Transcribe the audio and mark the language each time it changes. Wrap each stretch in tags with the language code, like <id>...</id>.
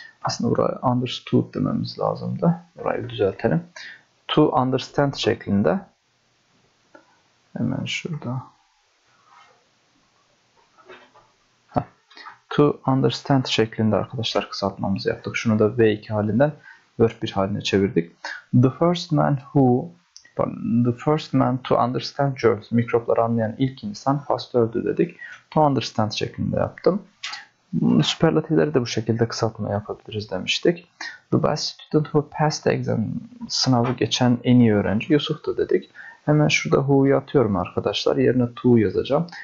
<tr>Aslında burayı understood dememiz lazımdı. Burayı düzeltelim.</tr> <en>To understand</en> <tr>şeklinde. Hemen şurada.</tr> <en>To understand</en> <tr>şeklinde arkadaşlar kısaltmamızı yaptık. Şunu da V2 halinden verb 1 haline çevirdik.</tr> <en>The first man to understand germs.</en> <tr>Mikropları anlayan ilk insan Pasteur'du dedik.</tr> <en>To understand</en> <tr>şeklinde yaptım. Süperlatifleri de bu şekilde kısaltma yapabiliriz demiştik.</tr> <en>The best student who passed</en> <tr>sınavı geçen en iyi öğrenci Yusuf'tu dedik. Hemen şurada who'yu atıyorum arkadaşlar. Yerine to yazacağım.</tr>